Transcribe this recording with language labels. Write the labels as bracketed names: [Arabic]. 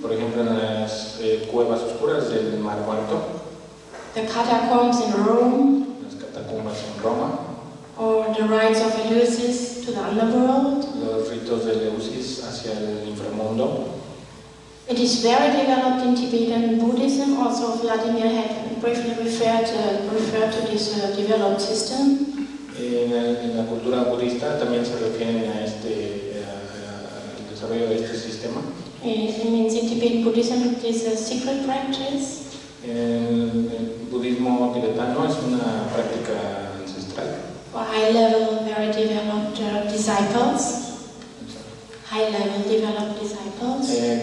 [Spanish] Por ejemplo, en las cuevas oscuras del Mar Muerto. [English] The catacombs in Rome. [Spanish] Las catacumbas en Roma. [English] Or the rites of Eleusis to the underworld. [Spanish] Los ritos de Eleusis hacia el inframundo. [English] It is very developed in Tibetan Buddhism. Also, Vladimir had briefly referred to this developed system. [Spanish] En la cultura budista también se refieren a este al desarrollo de este sistema. [English] It means in Tibet Buddhism it is a secret practice. [Spanish] El budismo tibetano es una práctica ancestral. [English] High level developed disciples.